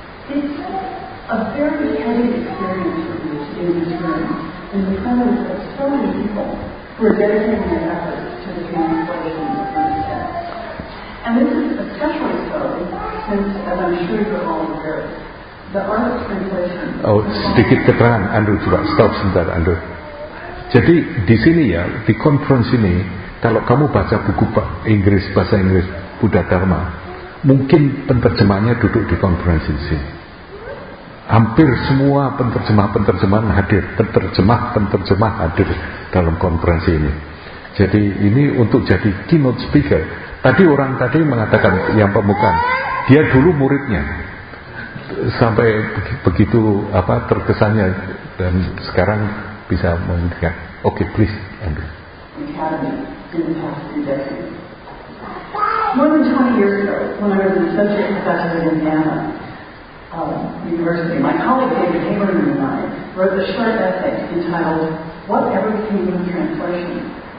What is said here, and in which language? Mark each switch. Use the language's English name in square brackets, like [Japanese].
[English] It's a very heavy experience for me to be in this room in the presence of so many people who are dedicating their efforts to the translation of these texts. And this is especially so since, as I'm sure you're all aware, the artist translation... [Indonesian] Oh, sedikit keterangan, Andrew, coba stop sebentar, Andrew. Jadi di sini ya, di conference ini, kalau kamu baca buku Inggris, bahasa Inggris, Buddha Dharma, mungkin penerjemahnya duduk di conference ini sih. Hampir semua penerjemah-penerjemahan hadir, penerjemah-penerjemah hadir dalam konferensi ini. Jadi ini untuk jadi keynote speaker. Tadi orang tadi mengatakan yang pemuka, dia dulu muridnya sampai begitu apa terkesannya, dan sekarang bisa mengingat. [English] Okay, please, Andrew. Academy in the past few decades. More than 20 years ago, when I was an associate professor at Indiana University, my colleague David Hamerman and I wrote a short essay entitled "What Ever Became of Translation."